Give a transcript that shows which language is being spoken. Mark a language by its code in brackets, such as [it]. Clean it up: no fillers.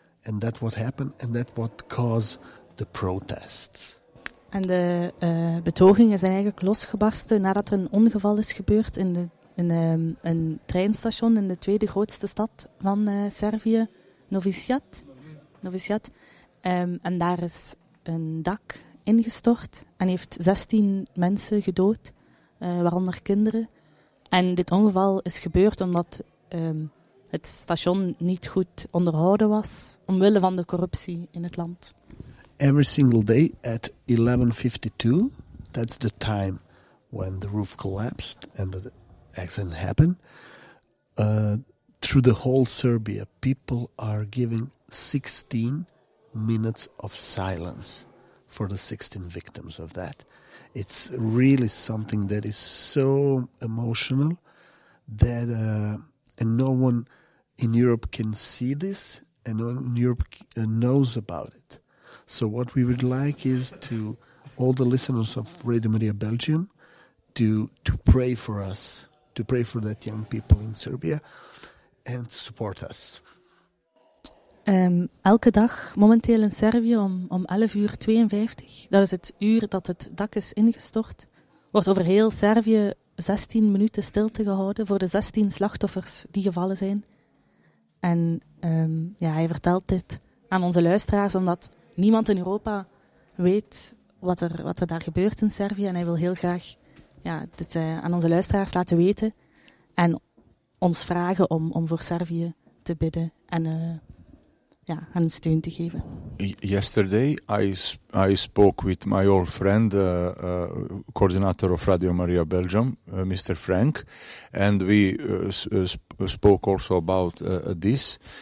[en] And that what happened, and that what caused the protests. [nl] En de betogingen zijn eigenlijk losgebarsten nadat er een ongeval is gebeurd in een treinstation in de tweede grootste stad van Servië, Novi Sad. En daar is een dak ingestort en heeft 16 mensen gedood, waaronder kinderen. En dit ongeval is gebeurd omdat het station niet goed onderhouden was, omwille van de corruptie in het land. [en] Every single day at 11:52, that's the time when the roof collapsed and the accident happened, through the whole Serbia, people are giving 16 minutes of silence for the 16 victims of that. It's really something that is so emotional that and no one in Europe can see this and no one in Europe knows about it. So what we would like is to all the listeners of Radio Maria Belgium to pray for us, to pray for that young people in Serbia and to support us. [nl] Elke dag momenteel in Servië om 11:52, dat is het uur dat het dak is ingestort, wordt over heel Servië 16 minuten stilte gehouden voor de 16 slachtoffers die gevallen zijn. En hij vertelt dit aan onze luisteraars omdat niemand in Europa weet wat er daar gebeurt in Servië. En hij wil heel graag dit aan onze luisteraars laten weten. En ons vragen om voor Servië te bidden en hen steun te geven. [en] Yesterday I spoke with my old friend, coordinator of Radio Maria Belgium, Mr. Frank. And we spoke also about this.